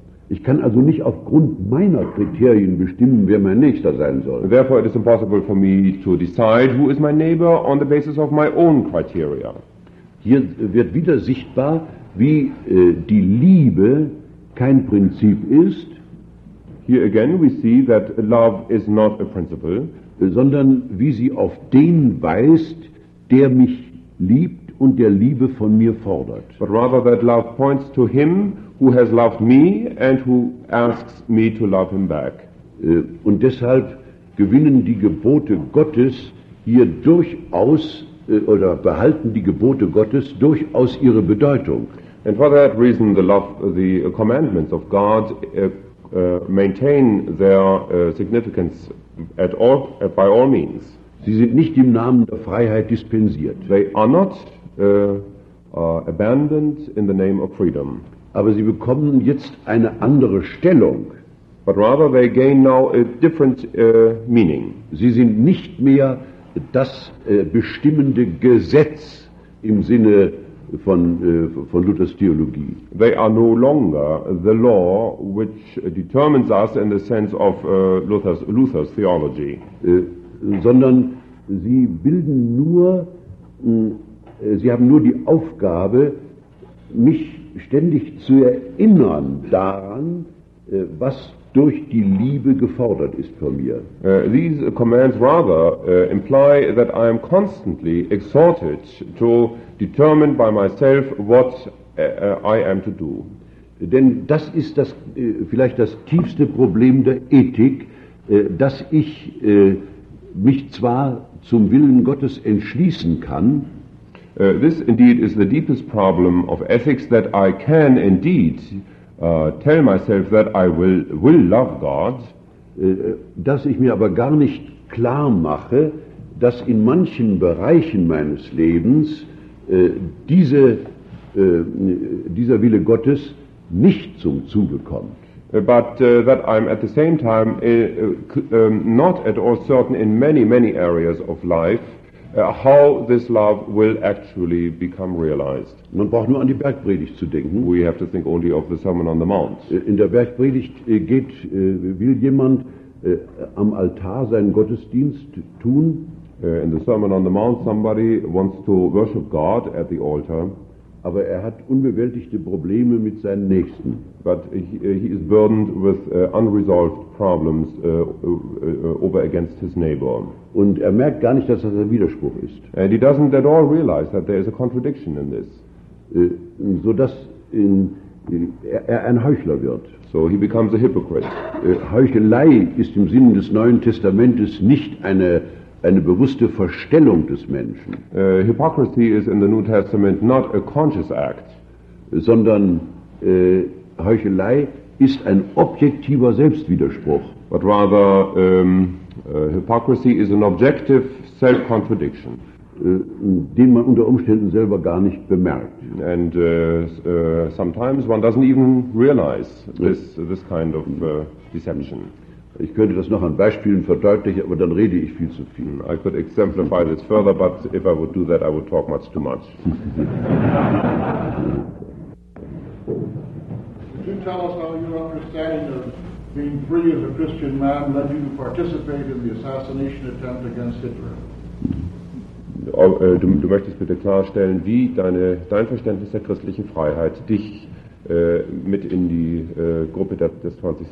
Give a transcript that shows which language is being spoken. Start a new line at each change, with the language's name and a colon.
German: Ich kann also nicht aufgrund meiner Kriterien bestimmen, wer mein Nächster sein soll.
English: Therefore it is impossible for me to decide who is my neighbor on the basis of my own criteria.
German: Hier wird wieder sichtbar, wie die Liebe kein Prinzip ist.
English: Here again we see that love is not a principle,
German: sondern wie sie auf den weist, der mich liebt und der Liebe von mir fordert.
English: But rather that love points to him who has loved me and who asks me to love him back.
German: Und deshalb gewinnen die Gebote Gottes hier durchaus oder behalten die Gebote Gottes durchaus ihre Bedeutung.
English: And for that reason the commandments of God maintain their significance by all means.
German: Sie sind nicht im Namen der Freiheit dispensiert.
English: They are not abandoned in the name of freedom.
German: Aber sie bekommen jetzt eine andere Stellung.
English: But rather they gain now a different meaning.
German: Sie sind nicht mehr das bestimmende Gesetz im Sinne von Luthers Theologie.
English: They are no longer the law which determines us in the sense of Luther's theology.
German: Sondern sie bilden nur, sie haben nur die Aufgabe, mich ständig zu erinnern daran, was durch die Liebe gefordert ist von mir.
English: These commands rather imply that I am constantly exhorted to determine by myself what I am to do.
German: Denn das ist das vielleicht das tiefste Problem der Ethik, dass ich mich zwar zum Willen Gottes entschließen kann.
English: This indeed is the deepest problem of ethics, that I can indeed tell myself that I will love God,
German: dass ich mir aber gar nicht klar mache, dass in manchen Bereichen meines Lebens dieser Wille Gottes nicht zum Zuge kommt.
English: But that I'm at the same time not at all certain in many, many areas of life how this love will actually become realized.
German: Man braucht nur an die Bergpredigt zu denken.
English: We have to think only of the Sermon on the Mount.
German: In der Bergpredigt will jemand am Altar seinen Gottesdienst tun.
English: In the Sermon on the Mount, somebody wants to worship God at the altar.
German: Aber er hat unbewältigte Probleme mit seinen Nächsten.
English: But he is burdened with unresolved problems over against his neighbor.
German: Und er merkt gar nicht, dass das ein Widerspruch ist.
English: And he doesn't at all realize that there is a contradiction in this.
German: Sodass er ein Heuchler wird.
English: So he becomes a hypocrite.
German: Heuchelei ist im Sinne des Neuen Testamentes nicht eine bewusste Verstellung des Menschen.
English: Hypocrisy is in the New Testament not a conscious act,
German: sondern Heuchelei ist ein objektiver Selbstwiderspruch.
English: But rather hypocrisy is an objective self-contradiction,
German: den man unter Umständen selber gar nicht bemerkt.
English: And sometimes one doesn't even realize this kind of deception.
German: Ich könnte das noch an Beispielen verdeutlichen, aber dann rede ich viel zu viel.
English: I could exemplify this further, but if I would do that, I would talk much too much. Could you tell us how your understanding of being free as a Christian man led you to participate in the assassination attempt against Hitler?
German: Du möchtest bitte klarstellen, wie dein Verständnis der christlichen Freiheit dich mit in die Gruppe des 20.